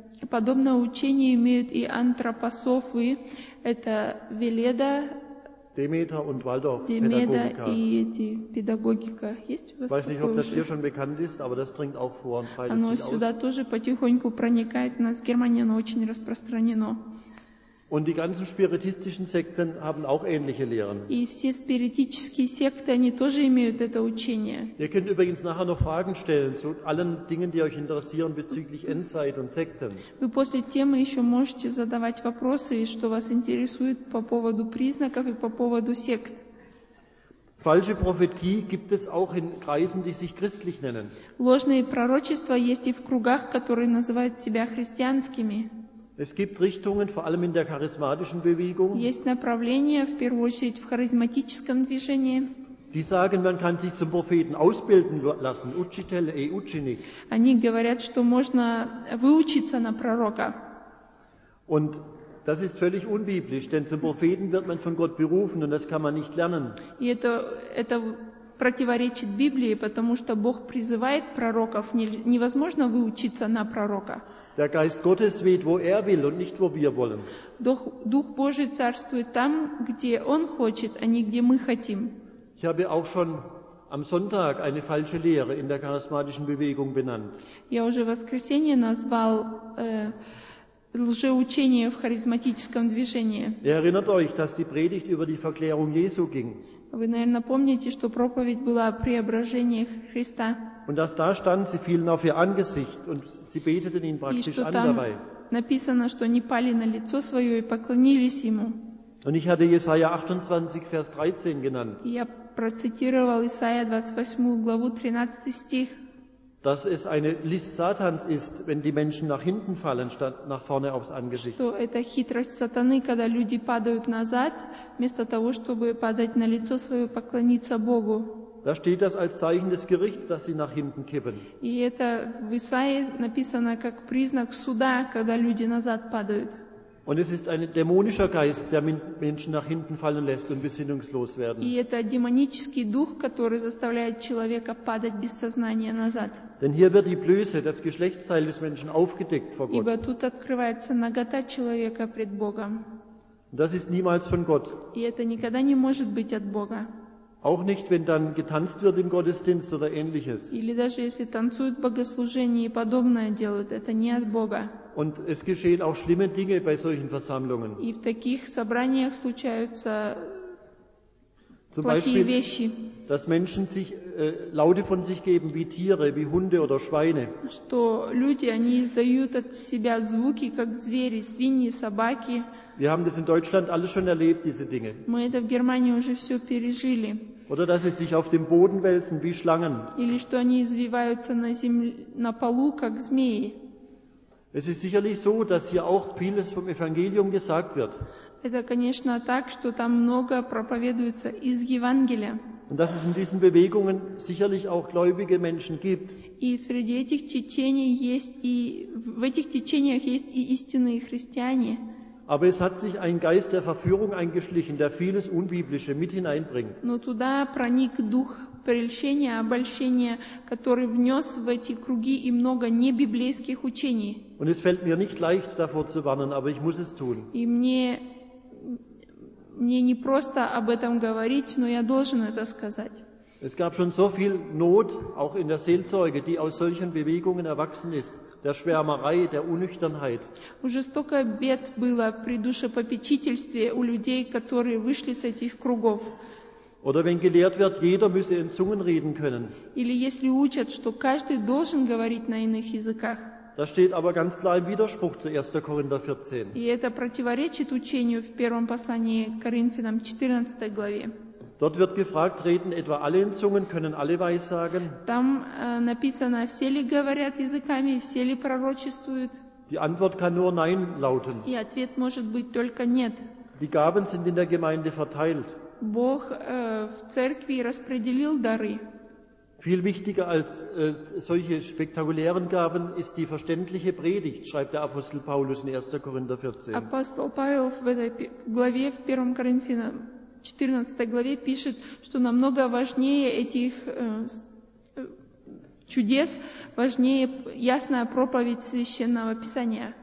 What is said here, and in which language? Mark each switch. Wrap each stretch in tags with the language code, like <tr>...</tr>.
<ru>Подобное учение имеют и антропософы, это Веледа,</ru> <de>Demeter und Waldorf</de> <ru>Педагогика.</ru> <de>Weiß nicht, ob das hier schon bekannt ist, aber das dringt auch vor und breitet sich aus.</de> <ru>Оно сюда тоже потихоньку проникает. У нас в Германии оно очень распространено.</ru> <de>Und die ganzen spiritistischen Sekten haben auch ähnliche Lehren.</de> <ru>И все спиритические секты, они тоже имеют это учение.</ru> <de>Ihr könnt übrigens nachher noch Fragen stellen zu allen Dingen, die euch interessieren bezüglich Endzeit und Sekten.</de> <ru>Вы после темы еще можете задавать вопросы, что вас интересует по поводу признаков и по поводу сект.</ru> <de>Falsche Prophetie gibt es auch in Kreisen, die sich christlich nennen.</de> <ru>Ложные пророчества есть и в кругах, которые называют себя христианскими.</ru> <de>Es gibt Richtungen, vor allem in der charismatischen Bewegung.</de> <ru>Есть направления, в первую очередь, в харизматическом движении.</ru> <de>Die sagen, man kann sich zum Propheten ausbilden lassen.</de> <ru>Учитель и ученик. Они говорят, что можно выучиться на пророка.</ru> <de>Und das ist völlig unbiblisch, denn zum Propheten wird man von Gott berufen und das kann man nicht lernen.</de> <ru>И это противоречит Библии, потому что Бог призывает пророков. Невозможно выучиться на пророка.</ru> <de>Der Geist Gottes weht, wo will und nicht, wo wir wollen. Doch</de> <ru>Дух Божий царствует там, где Он хочет, а не где мы хотим.</ru> <de>Ich habe auch schon am Sonntag eine falsche Lehre in der charismatischen Bewegung benannt.</de> <ru>Я уже в воскресенье назвал лжеучение в харизматическом движении.</ru> <de>Ihr erinnert euch, dass die Predigt über die Verklärung Jesu ging.</de> <ru>Вы, наверное, помните, что проповедь была о преображении Христа.</ru> <de>Und dass da stand, sie fielen auf ihr Angesicht und sie beteten ihn praktisch an dabei.</de> <ru>Написано, что они пали на лицо свое и поклонились ему.</ru> <de>Und ich hatte Jesaja 28, Vers 13 genannt.</de> <ru>Я процитировал Исаия 28 главу 13 стих.</ru> <de>Dass es eine List Satans ist, wenn die Menschen nach hinten fallen statt nach vorne aufs Angesicht.</de> <ru>Что это хитрость сатаны, когда люди падают назад, вместо того, чтобы падать на лицо свое и поклониться Богу.</ru> <de>Da steht das als Zeichen des Gerichts, dass sie nach hinten kippen.</de> <ru>И это в Исаии написано как признак суда, когда люди назад падают.</ru> <de>Und es ist ein dämonischer Geist, der Menschen nach hinten fallen lässt und besinnungslos werden.</de> <ru>И это демонический дух, который заставляет человека падать без сознания назад.</ru> <de>Denn hier wird die Blöße, das Geschlechtsteil des Menschen, aufgedeckt vor Gott.</de> <ru>Ибо тут открывается нагота человека пред Богом.</ru> <de>Das ist niemals von Gott.</de> <ru>И это никогда не может быть от Бога.</ru> <de>Auch nicht, wenn dann getanzt wird im Gottesdienst oder ähnliches.</de> <ru>Или даже если танцуют в богослужении и подобное делают, это не от Бога.</ru> <de>Und es geschehen auch schlimme Dinge bei solchen Versammlungen.</de> <ru>И в таких собраниях случаются</ru> <de>Zum</de> <ru>плохие</ru> <de>Beispiel,</de> <ru>вещи.</ru> <de>Dass Menschen sich Laute von sich geben, wie Tiere, wie Hunde oder Schweine.</de> <ru>Что люди, они издают от себя звуки, как звери, свиньи, собаки.</ru> <de>Wir haben das in Deutschland alles schon erlebt, diese Dinge.</de> <ru>Мы это в Германии уже все пережили.</ru> <de>Oder dass sie sich auf dem Boden wälzen, wie Schlangen.</de> <ru>Или что они извиваются на земле, на полу, как змеи.</ru> <de>Es ist sicherlich so, dass hier auch vieles vom Evangelium gesagt wird.</de> <ru>Это, конечно, так, что там много проповедуется из Евангелия.</ru> <de>Und dass es in diesen Bewegungen sicherlich auch gläubige Menschen gibt.</de> <ru>И среди этих течений есть и в этих течениях есть и истинные христиане.</ru> <de>Aber es hat sich ein Geist der Verführung eingeschlichen, der vieles Unbiblische mit hineinbringt.</de> <ru>Но туда проник дух прельщения, обольщения, который внес в эти круги и много небиблейских учений.</ru> <de>Und es fällt mir nicht leicht, davor zu warnen, aber ich muss es tun.</de> <ru>И мне не просто об этом говорить, но я должен это сказать.</ru> <de>Es gab schon so viel Not, auch in der Seelsorge, die aus solchen Bewegungen erwachsen ist. Der Schwärmerei, der Unüchternheit.</de> <ru>Уже столько бед было при душепопечительстве у людей, которые вышли с этих кругов.</ru> <de>Oder wenn gelehrt wird, jeder müsse in Zungen reden können.</de> <ru>Или если учат, что каждый должен говорить на иных языках.</ru> <de>Das steht aber ganz klar im Widerspruch zu 1. Korinther 14.</de> <ru>И это противоречит учению в первом послании Коринфянам 14 главе.</ru> <de>Dort wird gefragt, reden etwa alle in Zungen, können alle weissagen?</de> <ru>Там написано, все ли говорят языками, все ли пророчествуют?</ru> <de>Die Antwort kann nur Nein lauten.</de> <ru>И ответ может быть только нет.</ru> <de>Die Gaben sind in der Gemeinde verteilt.</de> <ru>Бог в церкви распределил дары.</ru> <de>Viel wichtiger als solche spektakulären Gaben ist die verständliche Predigt, schreibt der Apostel Paulus in 1. Korinther 14.</de> <ru>Апостол Павел в этой главе, в 1. Коринфянам, в 14 главе пишет, что намного важнее этих чудес, важнее ясная проповедь Священного Писания.</ru>